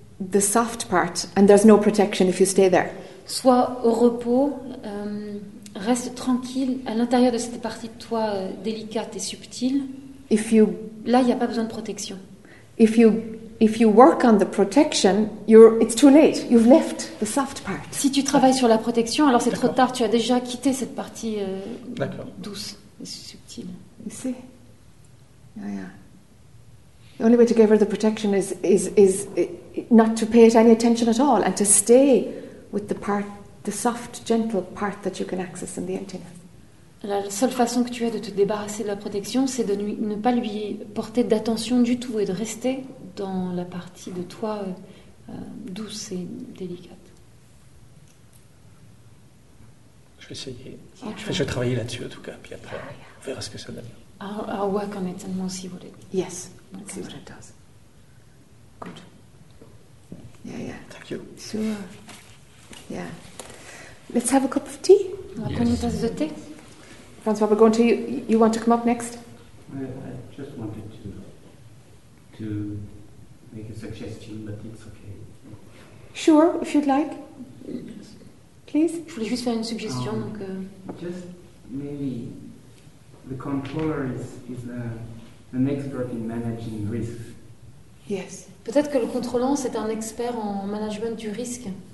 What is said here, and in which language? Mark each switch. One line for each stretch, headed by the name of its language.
English: the soft part, and there's no protection if you stay there.
French: Sois au repos, reste tranquille à l'intérieur de cette partie de toi délicate et subtile.
English: If you
French: là, il y a pas besoin de protection.
English: If you work on the protection, it's too late. You've left the soft part.
French: Si tu travailles sur la protection, alors c'est trop tard. Tu as déjà quitté cette partie douce et subtile.
English: You see? Oh, yeah. The only way to give her the protection is not to pay it any attention at all and to stay with the part, the soft, gentle part that you can access in the emptiness.
French: La seule façon que tu aies de te débarrasser de la protection, c'est de ne pas lui porter d'attention du tout et de rester dans la partie de toi douce et délicate. Je vais essayer. Okay. Je vais travailler là-dessus, en tout cas. Puis après, on verra ce que ça donne.
English: I'll work on it and we'll see what it... Yes, we'll see what it does. Good. Yeah, yeah. Thank you. Sure. Yeah. Let's have a cup of tea.
French: On va prendre une tasse de thé.
English: François, we're going to you. You want to come up next? I just wanted to make a suggestion, but it's okay. Sure, if you'd like. Yes. Please?
French: Je voulais juste faire une suggestion.
English: Just maybe the controller is an expert in managing risks. Yes.
French: Peut-être que le contrôlant, c'est un expert en management du risque.